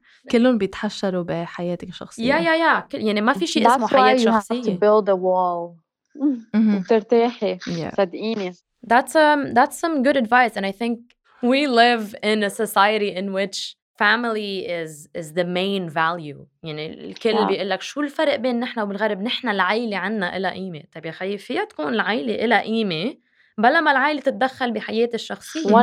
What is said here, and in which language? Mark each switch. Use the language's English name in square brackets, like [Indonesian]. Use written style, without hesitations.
[Arabic] كلهم بيتحشروا بحياتك الشخصية. [English] Yeah. [Arabic] يعني ما في شيء [English] That's [Arabic] اسمه حياة شخصية. [English] That's why you have to build a wall. [Arabic] وترتاحي. صدقيني. [English] That's some good advice and I think we live in a society in which family is the main value. [Arabic] يعني الكل بيقول لك شو الفرق بين نحن وبالغرب نحن العائلة عنا إلى قيمة. طيب يا خي فيها تكون العائلة إلى قيمة بلا ما العائلة تتدخل بحياتي الشخصية.